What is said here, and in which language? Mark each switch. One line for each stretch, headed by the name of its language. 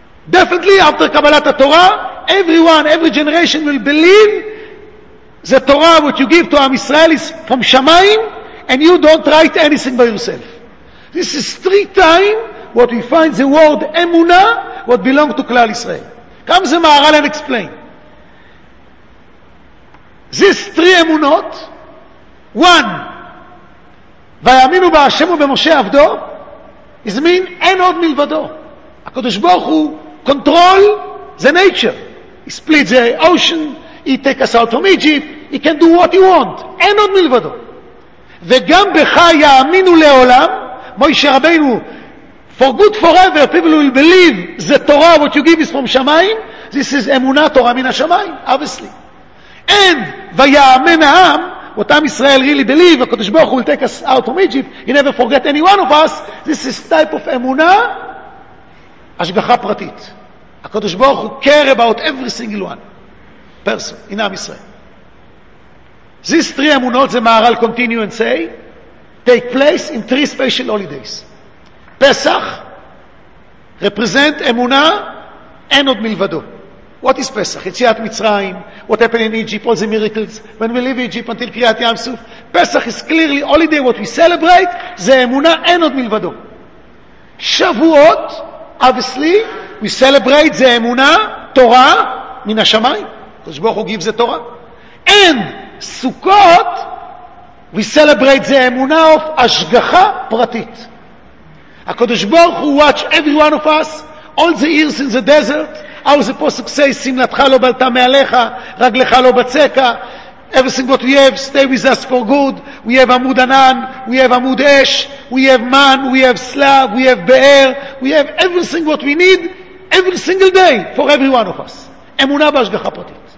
English: Definitely after קבלת התורה, everyone, every generation will believe the Torah what you give to Am Israel is from שמיים, and you don't write anything by yourself. This is three times what we find the word אמונה, what belong to כלל ישראל. Come the Maharal and explain. These three
Hebrew: אמונות, one, ויאמינו בהשם ובמשה עבדו, is mean אין עוד מלבדו.
English: הקדוש ברוך הוא control the nature. He split the ocean, he take us out from Egypt, he can do what he want.
Hebrew: אין עוד מלבדו. וגם בך יאמינו לעולם, מוישה רבינו,
English: for good forever, people will believe the Torah, what you give is from שמיים, this is
Hebrew: אמונה תורה מן השמיים,
English: obviously. And ויאמן העם, what Am Israel really believe, HaKadosh Baruch Hu will take us out from Egypt, he never forget any one of us, this is type of אמונה, השגחה פרטית. HaKadosh Baruch Hu care about every single one, person, in Am Israel. These three אמונות, the Maharal continue and say, take place in three special holidays. Pesach, represent אמונה, אין עוד מלבדו. What is Pesach? יציאת מצרים, what happened in Egypt, all the miracles, when we leave Egypt until קריאת ים סוף. Pesach is clearly holiday, what we celebrate,
Hebrew: זה אמונה אין עוד מלבדו. שבועות,
English: obviously, we celebrate
Hebrew: זה אמונה, תורה, מן השמיים. קדוש ברוך הוא גיב זה תורה.
English: And סוכות, we celebrate זה אמונה of השגחה פרטית. הקדוש ברוך הוא watch every one of us, all the years in the desert, how the posuk says,
Hebrew: שמלתך לא בלתה מעליך, רגלך לא בצקע,
English: everything what we have, stay with us for good, we have עמוד ענן, we have עמוד אש, we have man, we have slav, we have באר, we have everything what we need, every single day, for every one of us. אמונה בהשגחה פרטית.